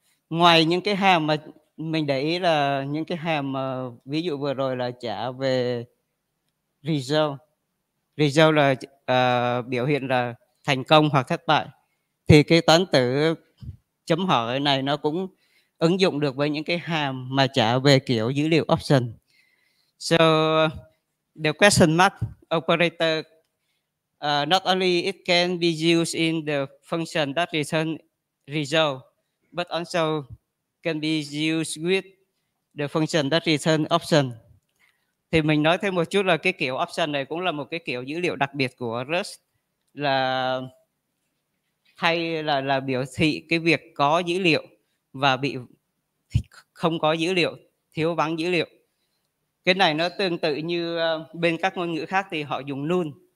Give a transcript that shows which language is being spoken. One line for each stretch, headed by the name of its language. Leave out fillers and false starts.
Vietnamese: Ngoài những cái hàm mà mình để ý là những cái hàm mà ví dụ vừa rồi là trả về result là biểu hiện là thành công hoặc thất bại, thì cái toán tử chấm hỏi này nó cũng ứng dụng được với những cái hàm mà trả về kiểu dữ liệu option.
English: So the question mark operator not only it can be used in the function that return result, but also can be used with the function that return option.
Vietnamese: Thì mình nói thêm một chút là cái kiểu option này cũng là một cái kiểu dữ liệu đặc biệt của Rust, là hay là biểu thị cái việc có dữ liệu và bị không có dữ liệu, thiếu vắng dữ liệu. Cái này nó tương tự như bên các ngôn ngữ khác thì họ dùng null.